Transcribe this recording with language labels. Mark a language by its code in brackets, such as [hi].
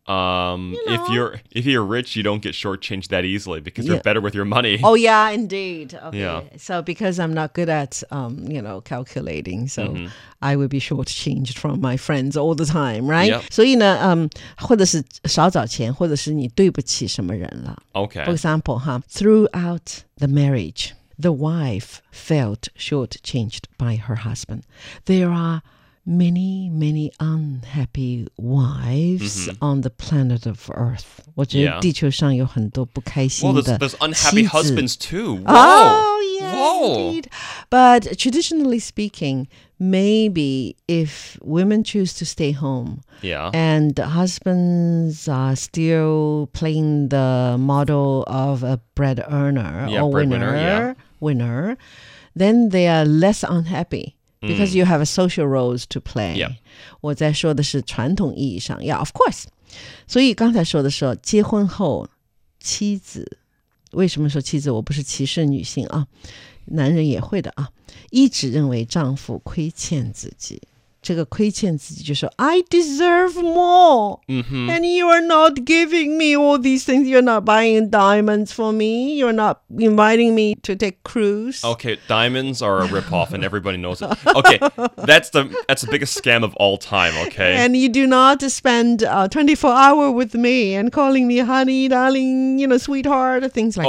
[en] If you're rich, you don't get shortchanged that easily because you're better with your money. Oh yeah, indeed. Okay. Yeah. So because I'm not good at calculating, so mm-hmm. I would be shortchanged from my friends all the time, right? Yep. [zh] 所以呢, 或者是少找钱，或者是你对不起什么人了。 [en] Okay. For example, throughout the marriage, the wife felt shortchanged by her husband. There are many, many unhappy wives mm-hmm. on the planet of Earth. [zh] 我觉得地球上有很多不开心的妻子。 [en] Well, there's unhappy husbands too. Whoa, indeed. But traditionally speaking, maybe if women choose to stay home yeah. and husbands are still playing the model of a bread earner or winner, then they are less unhappy. Because you have a social roles to play. Yeah. [zh] 我在说的是传统意义上, [en] yeah, of course. [zh] 所以刚才说的说, 结婚后, 妻子, 为什么说妻子, 我不是歧视女性啊, 男人也会的啊, 一直认为丈夫亏欠自己。这个亏欠自己就说, [en] I deserve more. Mm-hmm. And you are not giving me all these things. You're not buying diamonds for me. You're not inviting me to take cruise. Okay, diamonds are a ripoff and everybody knows it. Okay, that's the biggest scam of all time, okay? And you do not spend 24 hours with me and calling me honey, darling, you know, sweetheart, things like